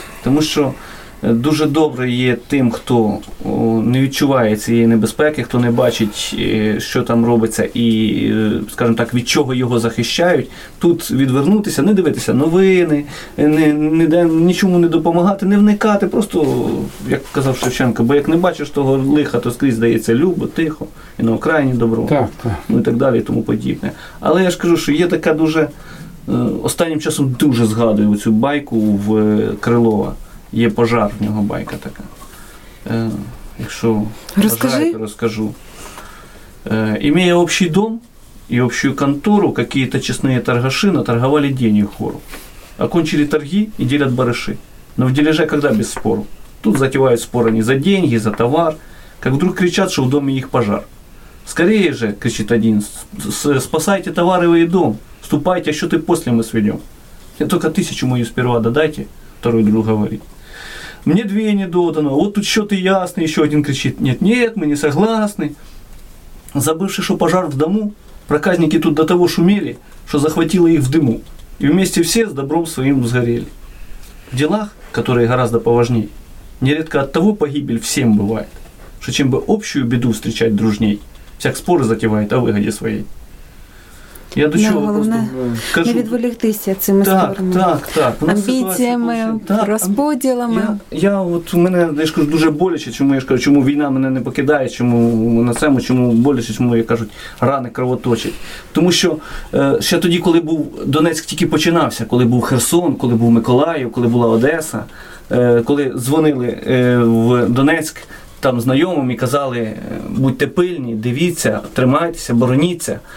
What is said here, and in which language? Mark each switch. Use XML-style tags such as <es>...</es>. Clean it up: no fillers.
<uk>Тому що дуже добре є тим, хто не відчуває цієї небезпеки, хто не бачить, що там робиться і, скажімо так, від чого його захищають, тут відвернутися, не дивитися новини, нічому не допомагати, не вникати, просто, як казав Шевченко, бо як не бачиш того лиха, то скрізь здається любо, тихо і на окраїні добро, так, так. Ну і так далі, і тому подібне. Але я ж кажу, що є така дуже, останнім часом дуже згадую цю байку в Крилова. Є пожар, в нього байка така. Якщо бажаєте, розкажу.</uk> <ru>Имея общий дом і общую контору, какие-то честные торгаши наторговали денег хору. Окончили торги и делят барыши. Но в дележе когда без спору? Тут затевают споры не за деньги, за товар. Как вдруг кричат, что в доме их пожар. Скорее же, кричит один, спасайте товар и дом. Ступайте, а что ты после мы сведем? Я только 1000 мою сперва додайте, второй друг говорит. Мне 2 не додано, вот тут что-то ясный, еще один кричит, нет, мы не согласны. Забывши, что пожар в дому, проказники тут до того шумели, что захватило их в дыму, и вместе все с добром своим сгорели. В делах, которые гораздо поважнее, нередко от того погибель всем бывает, что чем бы общую беду встречать дружней, всяк споры затевает о выгоде своей.</ru> <uk>Я до чого просто кажу. Не відволігтися цими спорами. Так, так, так. Амбіціями, так, розподілами. Я кажу, дуже боляче, чому я ж кажу, чому війна мене не покидає, чому на цьому, чому боляче, чому, як кажуть, рани кровоточать. Тому що ще тоді, коли був Донецьк тільки починався, коли був Херсон, коли був Миколаїв, коли була Одеса, коли дзвонили в Донецьк там знайомим і казали, будьте пильні, дивіться, тримайтеся, бороніться.</uk>